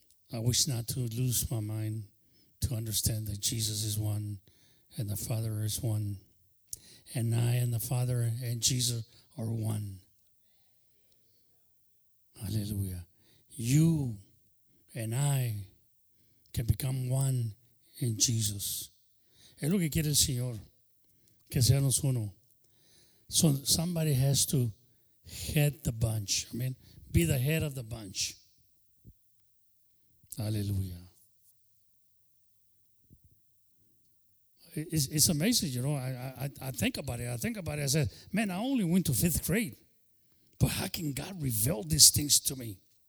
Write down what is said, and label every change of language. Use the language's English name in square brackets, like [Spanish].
[English] I wish not to lose my mind to understand that Jesus is one and the Father is one. And I and the Father and Jesus are one. Hallelujah. You and I can become one in Jesus. [Spanish] Es lo que quiere el Señor, que seamos uno. [English] So somebody has to head the bunch. I mean, be the head of the bunch. Hallelujah. It's amazing, you know. I think about it. I said, man, I only went to fifth grade. But how can God reveal these things to me?